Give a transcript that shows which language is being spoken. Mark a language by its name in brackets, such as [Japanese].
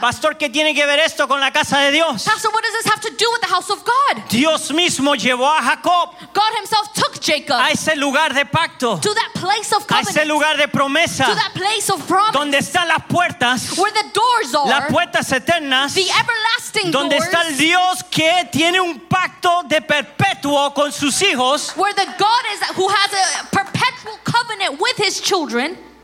[Spanish] Pastor, ¿qué tiene que ver esto con la casa de Dios? [English] Pastor, what does this have to do with the house of God? [Spanish] Dios mismo llevó a Jacob. [English] God himself took Jacob. [Spanish] A ese lugar de pacto. [English] To that place of covenant. [Spanish] A ese lugar de promesa. [English] To that place of promise. [Spanish] Donde están las puertas. [English] Where the doors are. [Spanish] Las puertas eternas. [English] The everlasting [Spanish] donde [English] doors. [Spanish] Donde está el Dios que tiene un pacto de perpetuo con sus hijos. [English] Where the God is who has a perpetual covenant with his children.